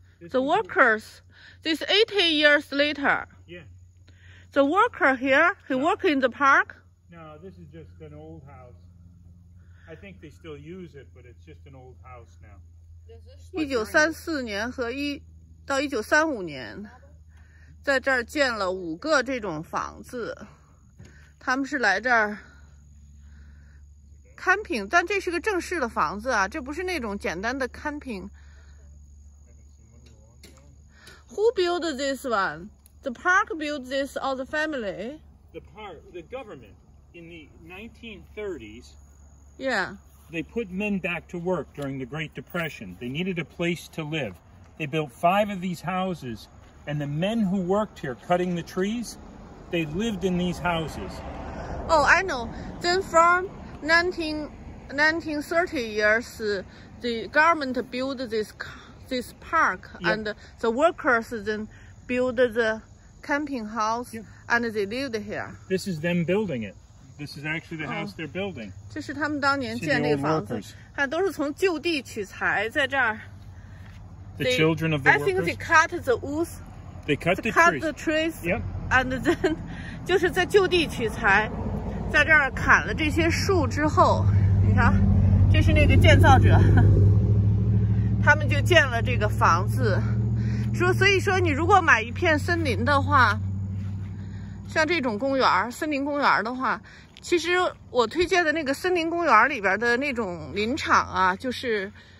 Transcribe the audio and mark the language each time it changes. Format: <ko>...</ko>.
<en>The workers, this 80 years later. Yeah. The worker here, he work in the park? No, this is just an old house. I think they still use it, but it's just an old house now.</en> <zh>1934年到1935年，在这儿建了五个这种房子，他们是来这儿 camping， 但这是个正式的房子啊，这不是那种简单的 camping。</zh> <en>Who built this one? The park built this or the family? The park, the government in the 1930s. Yeah. They put men back to work during the Great Depression. They needed a place to live. They built five of these houses. And the men who worked here cutting the trees, they lived in these houses. Oh, I know. Then from 1930 years, the government built this park, yep. And the workers then built the camping house, yep. And they lived here. This is them building it. This is actually the house they're building.</en> <zh>这是他们当年建那个房子，看都是从就地取材在这儿。</zh> <en>The children of the workers. I think they cut the woods. They cut the trees. Cut the trees. Yep.</en> <zh>And then, 就是在就地取材，在这儿砍了这些树之后，你看，这是那个建造者，他们就建了这个房子。说，所以说，你如果买一片森林的话，像这种公园，森林公园的话，其实我推荐的那个森林公园里边的那种林场啊，就是。</zh>